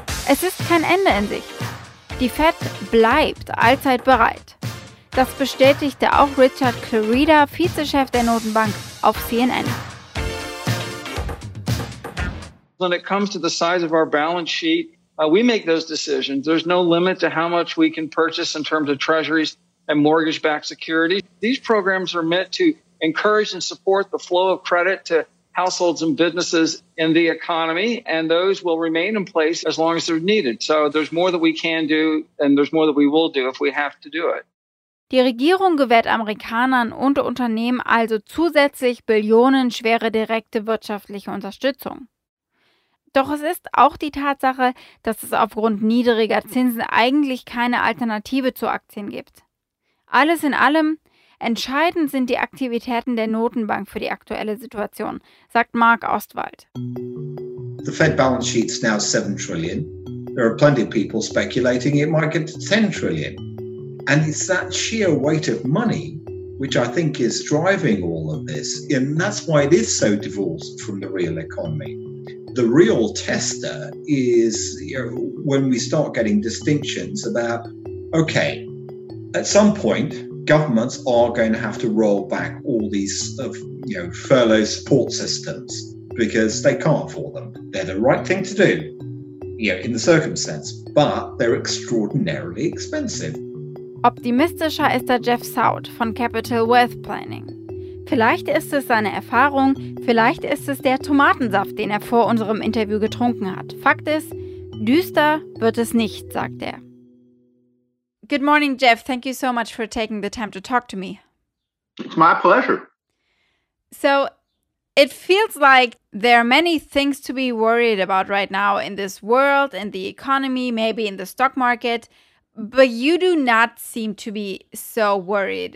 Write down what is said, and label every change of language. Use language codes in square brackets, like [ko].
[de] Es ist kein Ende in Sicht. Die Fed bleibt allzeit bereit. Das bestätigte auch Richard Clarida, Vizechef der Notenbank, auf CNN. [en] When it comes to the size of our balance sheet, we make those decisions. There's no limit to how much we can purchase in terms of treasuries and mortgage-backed securities. These programs are meant to encourage and support the flow of credit to households and businesses in the economy, and those will remain in place as long as they're needed. So there's more that we can do, and there's more that we will do if we have to do it. [de] Die Regierung gewährt Amerikanern und Unternehmen also zusätzlich billionenschwere direkte wirtschaftliche Unterstützung. Doch es ist auch die Tatsache, dass es aufgrund niedriger Zinsen eigentlich keine Alternative zu Aktien gibt. Alles in allem, entscheidend sind die Aktivitäten der Notenbank für die aktuelle Situation, sagt Mark Ostwald. [en] The Fed balance sheet is now 7 trillion. There are plenty of people speculating it might get to 10 trillion. And it's that sheer weight of money, which I think is driving all of this. And that's why it is so divorced from the real economy. The real tester is, you know, when we start getting distinctions about, okay, at some point, governments are going to have to roll back all these furlough support systems because they can't afford them. They're the right thing to do, in the circumstance, but they're extraordinarily expensive. [de] Optimistischer ist der Jeff Sout von Capital Wealth Planning. Vielleicht ist es seine Erfahrung, vielleicht ist es der Tomatensaft, den er vor unserem Interview getrunken hat. Fakt ist, düster wird es nicht, sagt er. [en] Good morning, Jeff. Thank you so much for taking the time to talk to me. It's my pleasure. So, it feels like there are many things to be worried about right now in this world, in the economy, maybe in the stock market. But you do not seem to be so worried.